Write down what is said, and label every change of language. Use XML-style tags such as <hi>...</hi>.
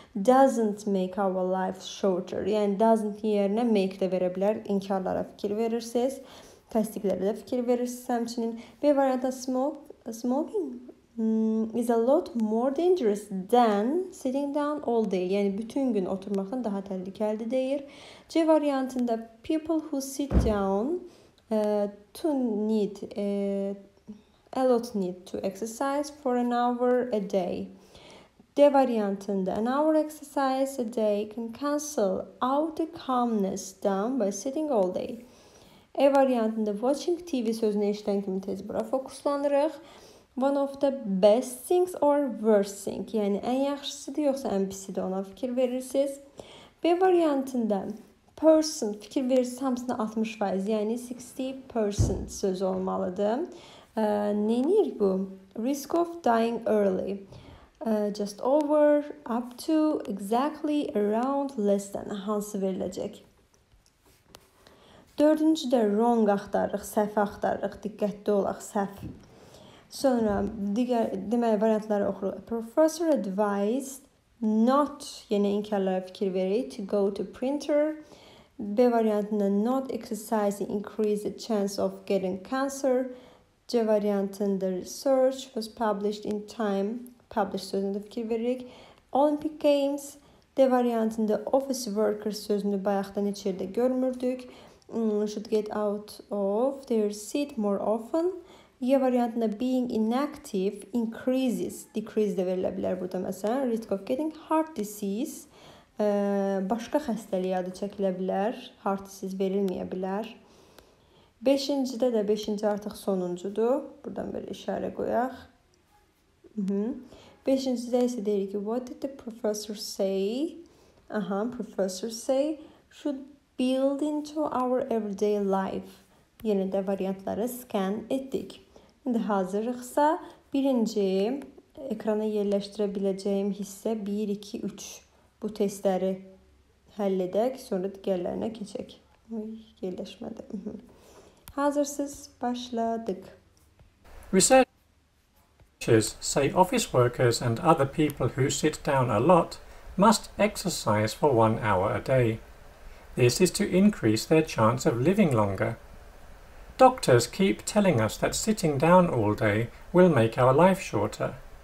<en>Doesn't make our life shorter.</en> <az>Yəni, doesn't yerinə make də verə bilər. İnkarlara fikir verirsiniz. Təsdiqlərə də fikir verirsiniz həmçinin. B variantda</az> <en>smoking is a lot more dangerous than sitting down all day.</en> <az>Yəni, bütün gün oturmaqdan daha təhlükəli deyir. C variantında</az> <en>people who sit down a lot need to exercise for an hour a day.</en> <az>D variantında</az> <en>an hour exercise a day can cancel out the calmness done by sitting all day.</en> <az>E variantında watching TV sözünü eşitən kimi tez bura fokuslanırıq.</az> <en>One of the best things or worst thing.</en> <az>Yəni ən yaxşısıdır yoxsa ən pisidir ona fikir verirsiniz. B variantında person fikir verirsiniz hamısında 60%, yəni 60% söz olmalıdır. Nədir bu?</az> <en>Risk of dying early. Just over, up to, exactly, around, less than.</en> <az>Hansı veriləcək? Dördüncü də wrong axtarırıq, səhv axtarırıq. Diqqətli olaq, səhv. Sonra digər, deməli, variantları oxuruq.</az> <en>Professor advised not,</en> <az>yəni inkarlara fikir verir,</az> <en>to go to printer.</en> <az>B variantında</az> <en>not exercising increase the chance of getting cancer.</en> <az>C variantında</az> <en>research was published in time.</en> <az>Published sözünü fikir veririk. Olympic Games. D variantında office workers sözünü bayaqdan heç yerdə görmürdük.</az> <en>Should get out of their seat more often.</en> <az>E variantında</az> <en>being inactive increases. Decrease</en> <az>də verilə bilər burada məsələn.</az> <en>Risk of getting heart disease.</en> <az>Başqa xəstəliyə adı çəkilə bilər, heart disease verilməyə bilər. Beşincidə də, beşinci artıq sonuncudur. Buradan belə işarə qoyaq. Beşincidə isə deyirik ki,</az> <en>what did the professor say? Aha, professor say, should build into our everyday life.</en> <az>Yenə də variantları scan etdik. İndi hazırıqsa, birinci ekrana yerləşdirə biləcəyim hissə 1, 2, 3. Bu testləri həll edək, sonra digərlərinə keçək. Yerləşmədi. Hazırsız, başladık.</az> <en>Researchers say office workers and other people who sit down a lot must exercise for 1 hour a day. This is to increase their chance of living longer. Doctors keep telling us that sitting down all day will make our life shorter.</en>